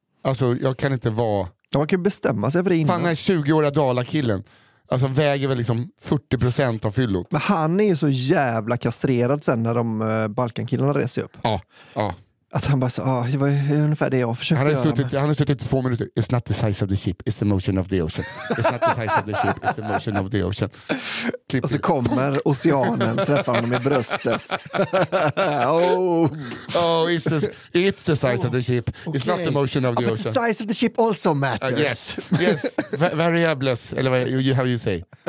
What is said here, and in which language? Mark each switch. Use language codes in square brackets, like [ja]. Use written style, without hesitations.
[sv] Alltså, jag kan inte vara... Ja, man kan bestämma sig för det innan. Fan, den här 20-åriga Dalakillen. Alltså, väger väl liksom 40% av fyllot. Men han är ju så jävla kastrerad sen när de Balkankillarna reser upp. Ja, ja. Att han bara sa, det var ungefär det jag försökte han göra. Han har suttit 2 minuter. [en] It's not the size of the ship, it's the motion of the ocean. It's not the size of the ship, it's the motion of the ocean. [sv] Klipp. Och så kommer oceanen, träffar honom i bröstet. [en] Oh, it's the size of the ship, it's okay. Not the motion of the ocean. But the size of the ship also matters. Yes, variables, [sv] eller [en] how you say.